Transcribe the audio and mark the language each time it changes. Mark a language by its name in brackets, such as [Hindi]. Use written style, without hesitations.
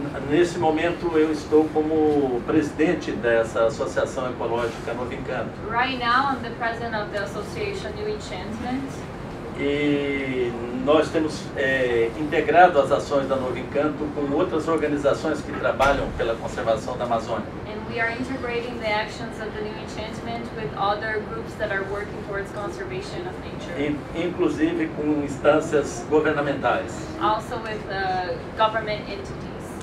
[Portuguese] Nesse momento eu estou como presidente dessa associação ecológica Novo Encanto. [English] Right now I'm the president of the association New Enchantment. [Portuguese] E nós temos integrado as ações da Novo Encanto com outras organizações que trabalham pela conservação da Amazônia. [English] And we are integrating the actions of the New Enchantment with other groups that are working towards conservation of nature. [Portuguese] Inclusive com instâncias governamentais. [English] Also with government entities.